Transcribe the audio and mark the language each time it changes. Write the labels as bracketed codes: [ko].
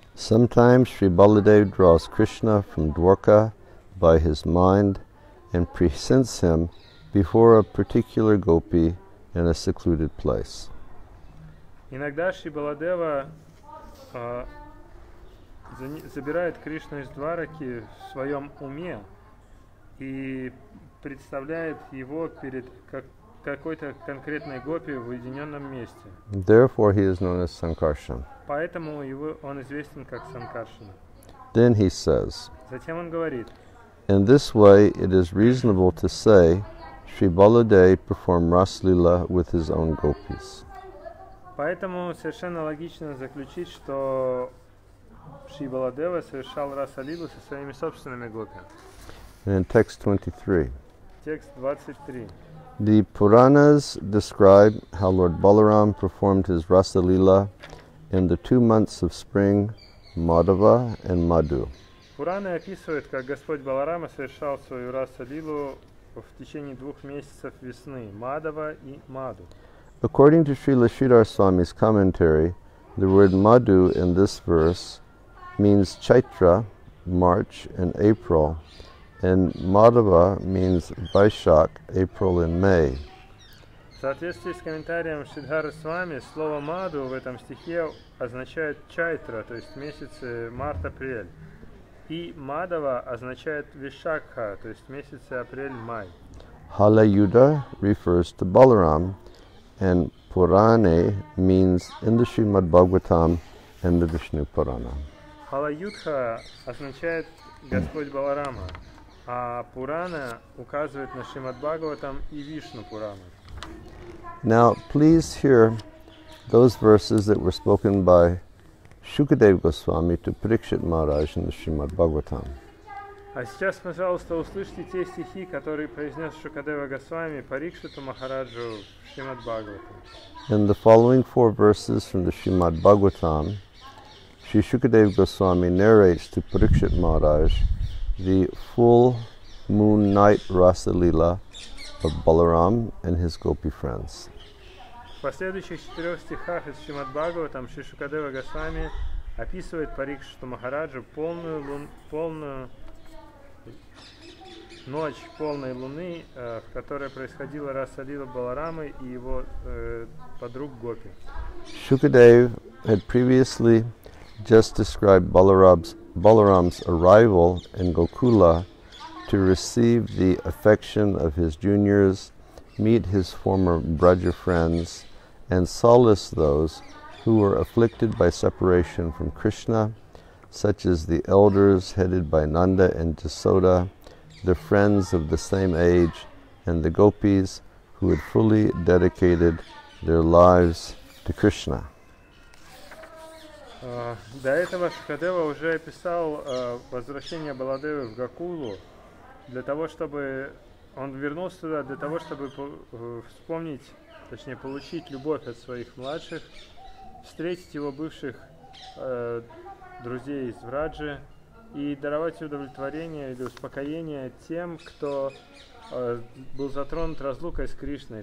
[en] Sometimes Shri Baladev draws Krishna from Dwarka by his mind and presents him before a particular gopi in a secluded place. [ru] Иногда Шри Баладева забирает Кришну из Двараки в своем уме и представляет его перед какой-то конкретной гопи в уединенном месте. [en] Therefore he is known as Sankarshan. [ru] Поэтому его, он известен как Санкаршана. [en] Then he says, [ru] затем он говорит, [en] in this way it is reasonable to say Shri Baladev performed Rasalila with his own gopis. [ru] Поэтому совершенно логично заключить, что Шри Баладева совершал Расалилу со своими собственными гопи. [en] And in text 23. [ru] Текст 23. [en] The Puranas describe how Lord Balaram performed his Rasalila in the 2 months of spring, Madhava and Madhu. [ru] Пурана описывает, как Господь Баларама совершал свою Расалилу в течение 2 месяцев весны, Мадава и Маду. [en] According to Srila Sridhar Swami's commentary, the word Madhu in this verse means Chaitra, March and April, and Madhava means Vaishak, April and May. [ru] В соответствии с комментарием Шридхара Свами, слово Маду в этом стихе означает Чайтра, то есть месяцы март-апрель. И Мадава означает Вишакха, то есть месяцы апрель-май. [en] Халаюда refers to Balaram, and Пуране means in the Shrimad Bhagavatam and the Vishnu Purana. [ru] Халаюдха означает Господь Баларама, а Пурана указывает на Шримад Бхагаватам и Вишну Пурану. [en] Now, please hear those verses that were spoken by Shukadev Goswami to Parikshit Maharaj in the Srimad Bhagavatam. [ru] А сейчас, пожалуйста, услышьте те стихи, которые произнес Шукадева Госвами Парикшиту Махараджу в Шримад Бхагаватам. [en] In the following 4 verses from the Srimad Bhagavatam, Shri Shukadev Goswami narrates to Parikshit Maharaj the full moon night Rasa Lila of Balaram and his gopi friends. [ru] В последующих 4 стихах из Шримад Бхагаватам Шри Шукадева Госвами описывает Парикшиту Махараджу полную ночь полной луны, в которой происходила Раса Лила Баларамы и его подруг гопи. [en] Shukadev had previously just described Balaram's arrival in Gokula to receive the affection of his juniors, meet his former braja friends, and solace those who were afflicted by separation from Krishna, such as the elders headed by Nanda and Jasoda, the friends of the same age, and the gopis who had fully dedicated their lives to Krishna. [ru] До этого Шукадева уже описал возвращение Баладевы в Гокулу для того, чтобы он вернулся туда для того, чтобы вспомнить, точнее получить любовь от своих младших, встретить его бывших друзей из Враджи и даровать удовлетворение или успокоение тем, кто был затронут разлукой с Кришной.